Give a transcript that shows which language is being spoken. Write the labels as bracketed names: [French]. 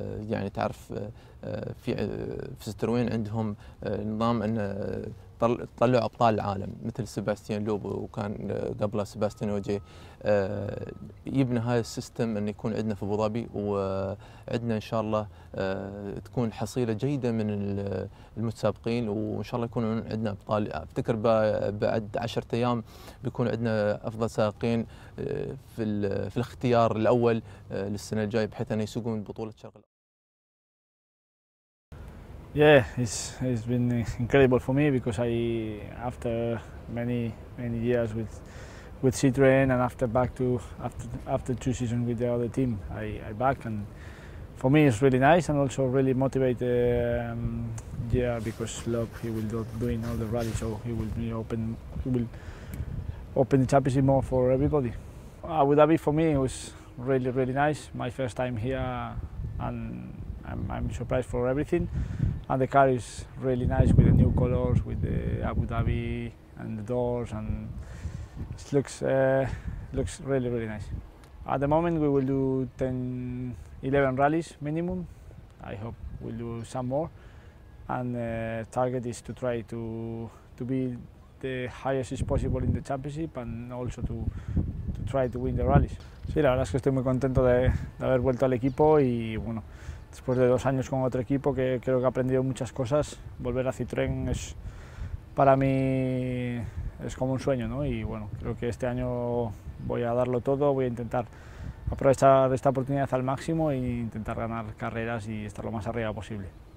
[Arabic] يعني تعرف في ستروين عندهم نظام أن طلعوا أبطال العالم مثل سيباستيان لوب وكان قبله سيباستيان أوجي، يبنى هذا السيستم أن يكون عندنا في أبوظبي وعندنا إن شاء الله تكون حصيلة جيدة من المتسابقين وإن شاء الله يكون عندنا أبطال. أفتكر بعد 10 أيام بيكون عندنا أفضل سائقين في الاختيار الأول للسنة الجاية بحيث أن يسوقون بطولة الشرق. [English] Yeah, it's been incredible for me because after many years with Citroën and after 2 seasons with the other team, I back, and for me it's really nice and also really motivated. Yeah, because Lop, he will do doing all the rally, so he will be open. He will open the championship more for everybody. Abu Dhabi for me was really really nice. My first time here, and I'm surprised for everything. And the car is really nice with the new colors, with the Abu Dhabi and the doors, and it looks really, really nice. At the moment, we will do 10, 11 rallies minimum. I hope we'll do some more. And the target is to try to be the highest as possible in the championship and also to try to win the rallies. [Spanish] Sí, la verdad es que estoy muy contento de haber vuelto al equipo y bueno. Después de 2 años con otro equipo, que creo que he aprendido muchas cosas, volver a Citroën es para mí es como un sueño, ¿no? Y bueno, creo que este año voy a darlo todo, voy a intentar aprovechar esta oportunidad al máximo e intentar ganar carreras y estar lo más arriba posible.